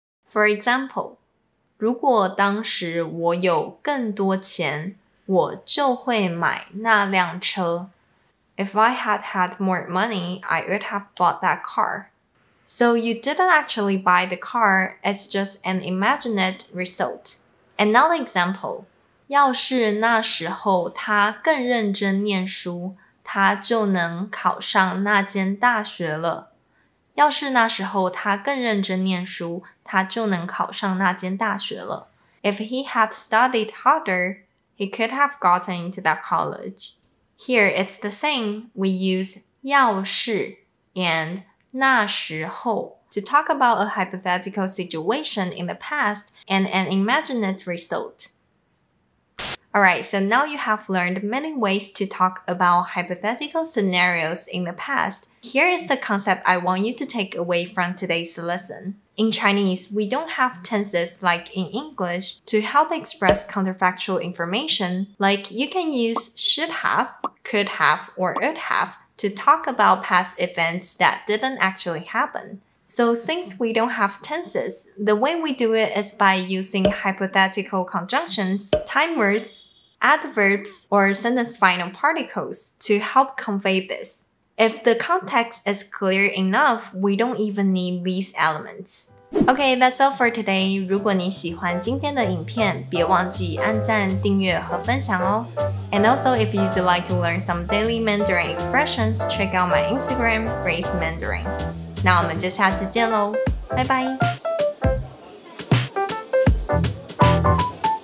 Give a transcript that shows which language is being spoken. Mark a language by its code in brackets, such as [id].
[en] For example, [zh] 如果当时我有更多钱我就会买那辆车。 [en] If I had had more money, I would have bought that car. So you didn't actually buy the car, it's just an imagined result. Another example. [zh] 要是那时候他更认真念书，他就能考上那间大学了。要是那时候他更认真念书，他就能考上那间大学了。 [en] If he had studied harder,He could have gotten into that college. Here, it's the same. We use 要是 and 那时候 to talk about a hypothetical situation in the past and an imagined result. Alright, so now you have learned many ways to talk about hypothetical scenarios in the past. Here is the concept I want you to take away from today's lesson. In Chinese, we don't have tenses like in English to help express counterfactual information. Like, you can use should have, could have, or would have to talk about past events that didn't actually happen. So since we don't have tenses, the way we do it is by using hypothetical conjunctions, time words, adverbs, or sentence final particles to help convey this. If the context is clear enough, we don't even need these elements. Okay, that's all for today. [zh] 如果你喜欢今天的影片，别忘记按赞、订阅和分享哦。 [en] And also, if you'd like to learn some daily Mandarin expressions, check out my Instagram, Grace Mandarin. [zh] 那我们就下次见咯，拜拜。